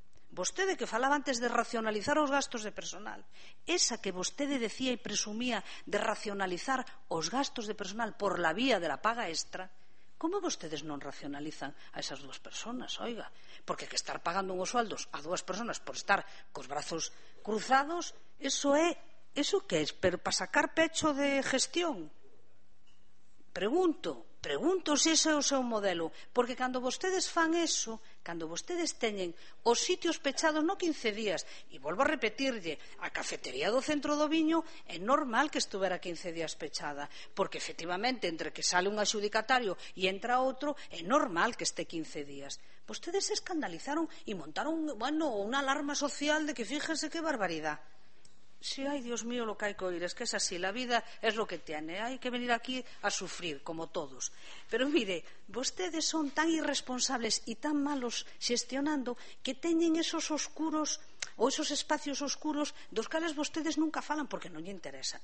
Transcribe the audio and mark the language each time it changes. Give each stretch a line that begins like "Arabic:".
Galician: Vostede que falaba antes de racionalizar os gastos de personal, esa que vostede decía e presumía de racionalizar os gastos de personal
Spanish: por la vía de la paga extra,
Galician: como vostedes non racionalizan a esas 2 personas, oiga? Porque que estar pagando unos sueldos a 2 personas por estar cos brazos cruzados, eso é, eso que é, pero para sacar pecho de gestión. Pregunto se ese é o seu modelo, porque cando vostedes fan eso, cando vostedes teñen os sitios pechados no 15 días, e volvo a repetirlle, a cafetería do centro do Viño é normal que estuvera 15 días pechada, porque efectivamente entre que sale un adxudicatario e entra outro, é normal que este 15 días. Vostedes se escandalizaron e montaron, unha alarma social de que fíjese que barbaridade.
Spanish: Sí, ay, Dios mío, lo que hay que oír, es que es así, la vida es lo que tiene, hay que venir aquí a sufrir, como todos. Pero mire, ustedes son tan irresponsables y tan malos gestionando
Galician: que teñen esos oscuros o esos espacios oscuros dos cales ustedes nunca falan porque non lle interesa.